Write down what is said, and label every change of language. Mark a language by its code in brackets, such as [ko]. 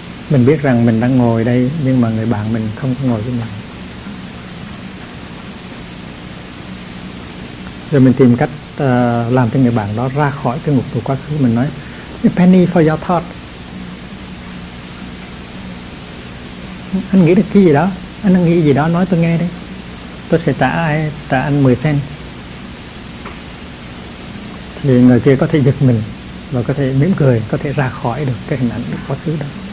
[vi] Mình biết rằng mình đang ngồi đây, nhưng mà người bạn mình không có ngồi với mình. Rồi mình tìm cách làm cho người bạn đó ra khỏi cái ngục tù quá khứ. Mình nói, [en] penny for your thought. [vi] Anh nghĩ được cái gì đó, anh đang nghĩ gì đó, nói tôi nghe đi. Tôi sẽ trả anh 10 cent. Thì người kia có thể giật mình và có thể mỉm cười, có thể ra khỏi được cái hình ảnh quá khứ đó.